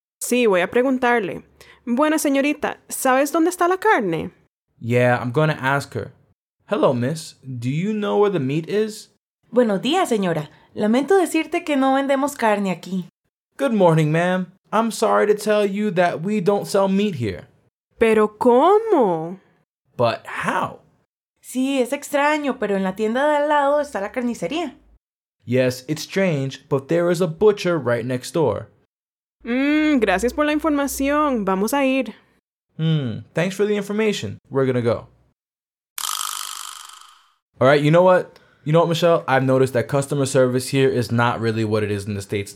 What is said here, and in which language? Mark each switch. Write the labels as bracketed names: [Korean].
[Spanish] Sí, voy a preguntarle. Buena señorita, ¿sabes dónde está la carne? [English] Yeah, I'm going to ask her. Hello, miss. Do you know where the meat is? [Spanish] Buenos días, señora. Lamento decirte que no vendemos carne aquí. [English] Good morning, ma'am. I'm sorry to tell you that we don't sell meat here. [Spanish] ¿Pero cómo? [English] But how? [Spanish] Sí, es extraño, pero en la tienda de al lado está la carnicería. [English] Yes, it's strange, but there is a butcher right next door. [Spanish] Gracias por la información. Vamos a ir. [English] Thanks for the information. We're gonna go. All right, you know what? You know what, Michelle? I've noticed that customer service here is not really what it is in the States.